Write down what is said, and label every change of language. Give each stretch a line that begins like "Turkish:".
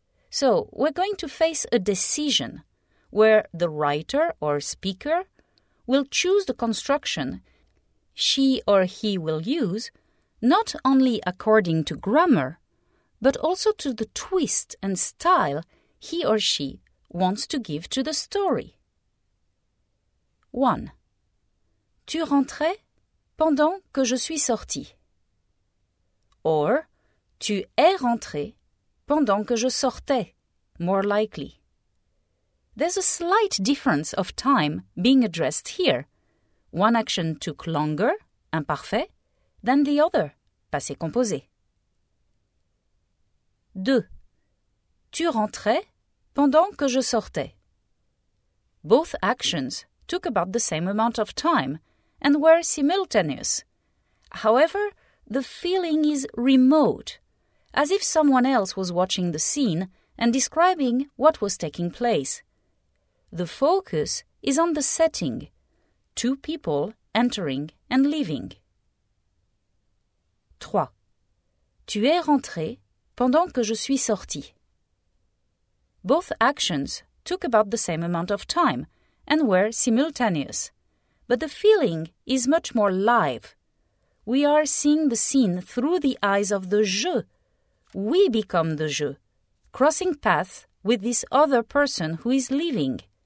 English: So, we're going to face a decision where the writer or speaker will choose the construction she or he will use, not only according to grammar, but also to the twist and style he or she wants to give to the story. 1.
French: Tu rentrais pendant que je suis sorti. Or, tu es rentré pendant que je sortais,
English: more likely. There's a slight difference of time being addressed here. One action took longer, imparfait, than the other, passé composé. 2.
French: Tu rentrais pendant que je sortais.
English: Both actions took about the same amount of time and were simultaneous. However, the feeling is remote, as if someone else was watching the scene and describing what was taking place. The focus is on the setting, two people entering and leaving. 3.
French: Tu es rentré pendant que je suis sorti.
English: Both actions took about the same amount of time and were simultaneous, but the feeling is much more live. We are seeing the scene through the eyes of the je. We become the je, crossing paths with this other person who is leaving.